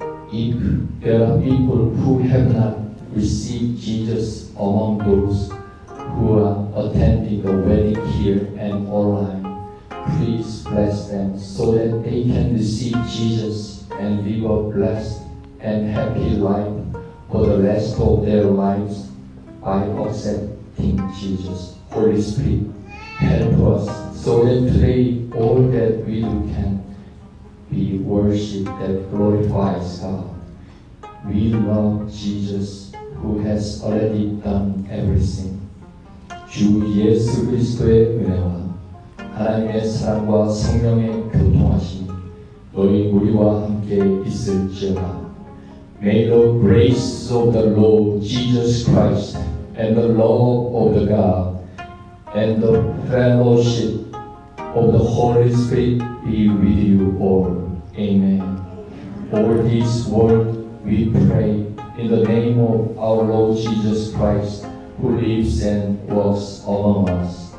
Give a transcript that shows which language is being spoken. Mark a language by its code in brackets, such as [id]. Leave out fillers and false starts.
[en] If there are people who have not received Jesus among those who are attending the wedding here and online, please bless them so that they can receive Jesus and live a blessed and happy life for the rest of their lives by accepting Jesus. Holy Spirit, help us so that today all that we do can be worship that glorifies God. We love Jesus who has already done everything. [ko] 주 예수 그리스도의 은혜와 하나님의 사랑과 성령의 교통하심 너희 우리와 함께 있을지어다. [en] May the grace of the Lord Jesus Christ and the love of the God and the fellowship of the Holy Spirit be with you all. Amen. For this word we pray in the name of our Lord Jesus Christ, who lives and works among us.